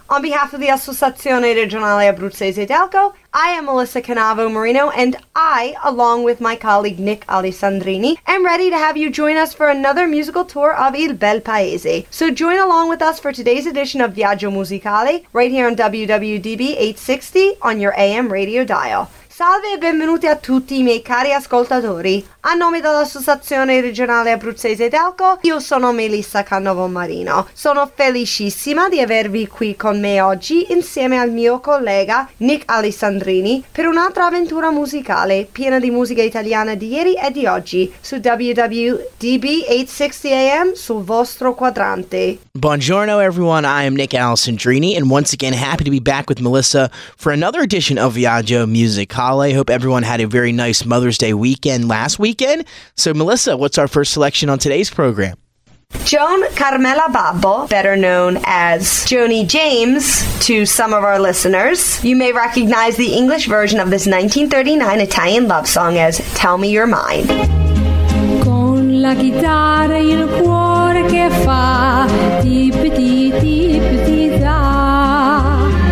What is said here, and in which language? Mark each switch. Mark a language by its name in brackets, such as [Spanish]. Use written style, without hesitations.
[English] On behalf of the Associazione Regionale Abruzzese d'Alco, I am Melissa Canavo Marino, and I, along with my colleague Nick Alessandrini, am ready to have you join us for another musical tour of Il Bel Paese. So join along with us for today's edition of Viaggio Musicale, right here on WWDB 860 on your AM radio dial. [Italian] Salve e benvenuti a tutti i miei cari ascoltatori. A nome dell'Associazione Regionale Abruzzese d'Alco, io sono Melissa Canavo Marino. Sono felicissima di avervi qui con me oggi insieme al mio collega Nick Alessandrini per un'altra avventura musicale piena di musica italiana di ieri e di oggi su WWDB 860 AM sul vostro quadrante. [English] Buongiorno everyone, I am Nick Alessandrini and once again happy to be back with Melissa for another edition of Viaggio Musicale. Hope everyone had a very nice Mother's Day weekend last week. So Melissa, what's our first selection on today's program? Joan Carmela Babbo, better known as Joni James to some of our listeners. You may recognize the English version of this 1939 Italian love song as Tell Me Your Mind. [Italian] Con la chitarra il cuore che fa tip tip tip ti da.